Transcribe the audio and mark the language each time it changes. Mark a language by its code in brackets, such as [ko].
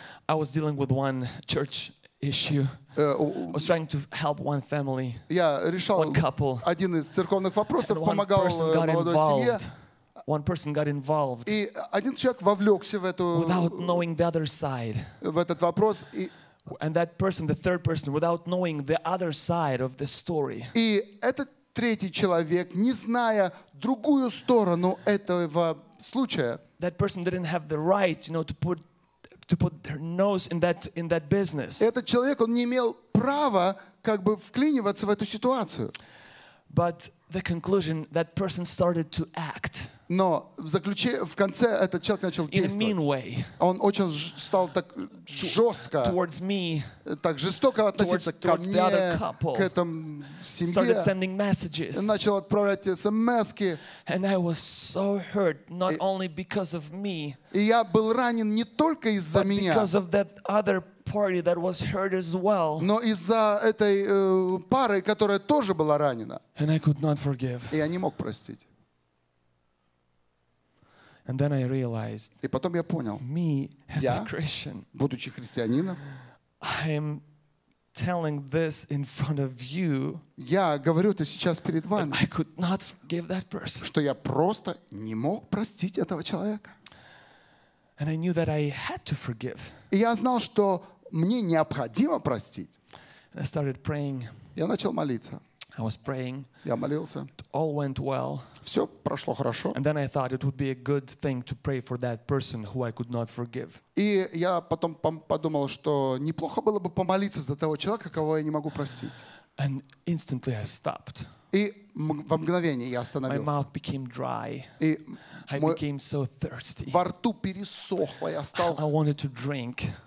[en] I was dealing with one church issue. I was trying to help one family. [ru] Я решал [en] one couple. [ru] Один из церковных вопросов, помогал молодой семье. [en] One person got involved. [ru] И один человек вовлекся в эту. [en] Without knowing the other side. [ru] В этот вопрос. И, [en] and that person, the third person, without knowing the other side of the story. [ru] И этот третий человек, не зная другую сторону этого случая. [en] That person didn't have the right, you know, to put their nose in that business. [ru] Этот человек, он не имел права как бы вклиниваться в эту ситуацию. [en] But the conclusion, that person started to act. [ru] Но в конце этот человек начал действовать. [en] In a mean way. [ru] Он очень стал так жестко. [en] Towards me. [ru] Так жестоко относиться ко мне, к этому семье. [en] Started sending messages. [ru] Начал отправлять смски. [en] And I was so hurt, not only because of me. [ru] И я был ранен не только из-за меня. [en] Because of that other party that was hurt as well. [ru] Но из-за этой пары, которая тоже была ранена. [en] And I could not forgive. [ru] И я не мог простить. [en] And then I realized, [ru] и потом я понял, [en] me as a Christian, [ru] будучи христианином, [en] I am telling this in front of you, [ru] я говорю это сейчас перед вами, [en] I could not forgive that person, [ru] что я просто не мог простить этого человека. [en] And I knew that I had to forgive. [ru] И я знал, что мне необходимо простить. [en] And I started praying. [ru] Я начал молиться. [en] I was praying. [ru] Я молился. [en] It all went well. [ru] Все прошло хорошо. [en] And then I thought it would be a good thing to pray for that person who I could not forgive. [ru] И я потом подумал, что неплохо было бы помолиться за того человека, кого я не могу простить. [en] And instantly I stopped. [ru] И во мгновение я остановился. [en] My mouth became dry. [ru] И [en] I became so thirsty. [ru] Во рту пересохло, я стал. [en] I wanted to drink.